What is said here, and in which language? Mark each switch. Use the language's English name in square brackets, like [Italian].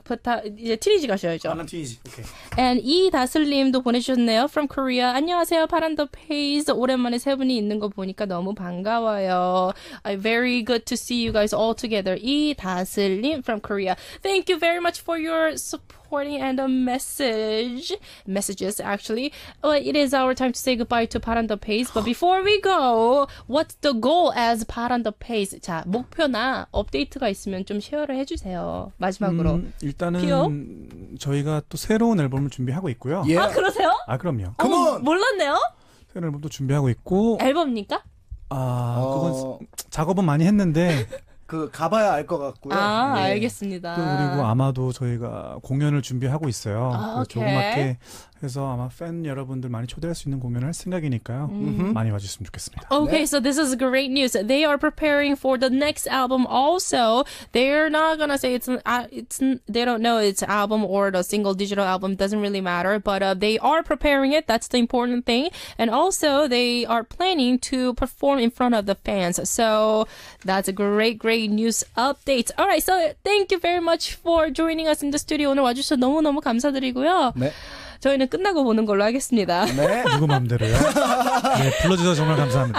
[Korean] 부타, 이제 트위지 가셔야죠. 아, 난 트위지. 오케이. And 이다슬님도 보내주셨네요. From Korea. 안녕하세요. 파란더 페이스. 오랜만에 세 분이 있는 거 보니까 너무 반가워요. [English] I very good to see you guys all together. 이다슬님 from Korea. Thank you very much for your support and a message. Messages, actually. Well, it is our time to say goodbye to 파란더 페이스. But before we go, what's the goal as 파란더 페이스? [Korean] 자, 목표나 업데이트가 있으면 좀 쉐어를 해주세요. 마지막으로. 일단은 피오? 저희가 또 새로운 앨범을 준비하고 있고요. Yeah. 아, 그러세요? 아, 그럼요. 어머, 몰랐네요. 새로운 앨범도 준비하고 있고. 앨범입니까? 아, 그건 작업은 많이 했는데. 그 가봐야 알 것 같고요. 아, 네. 알겠습니다. 또 그리고 아마도 저희가 공연을 준비하고 있어요. 아, 조그맣게 해서 아마 팬 여러분들 많이 초대할 수 있는 공연을 할 생각이니까요. 많이 와주셨으면 좋겠습니다. [English] Okay, 네. So this is great news. They are preparing for the next album also. They're not gonna say they don't know it's album or the single digital album. Doesn't really matter. But they are preparing it. That's the important thing. And also they are planning to perform in front of the fans. So that's a great, great news update. All right, so thank you very much for joining us in the studio. [Korean] 오늘 와주셔서 너무너무 감사드리고요. 네. 저희는 끝나고 보는 걸로 하겠습니다. 네. 누구 맘대로요? 네, 불러주셔서 정말 감사합니다.